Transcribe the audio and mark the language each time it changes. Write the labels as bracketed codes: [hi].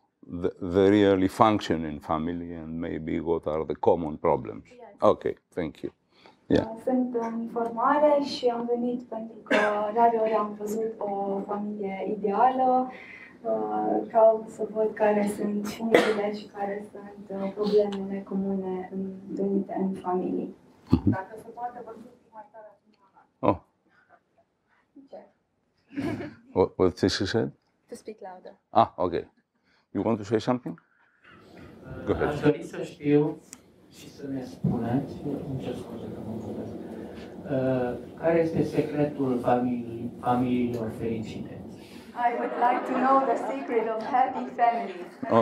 [en] The rarely functioning family, and maybe what are the common problems. Yeah. Okay, thank you. Yeah. [ro] Sunt în formare și am venit pentru că rareori am văzut o familie ideală. caut să văd care sunt unghiile și care sunt problemele comune întâlnite în familie. Dacă se poate, vă spun mai tare atunci. Ce? [en] What did she say? To speak louder. Ah, ok. You want to say something? Go ahead. [ro] Aș dori să știu și să ne spuneți, ce scuze că mă vorbesc, care este secretul familiilor fericite? [en] I would like to know the secret of happy families.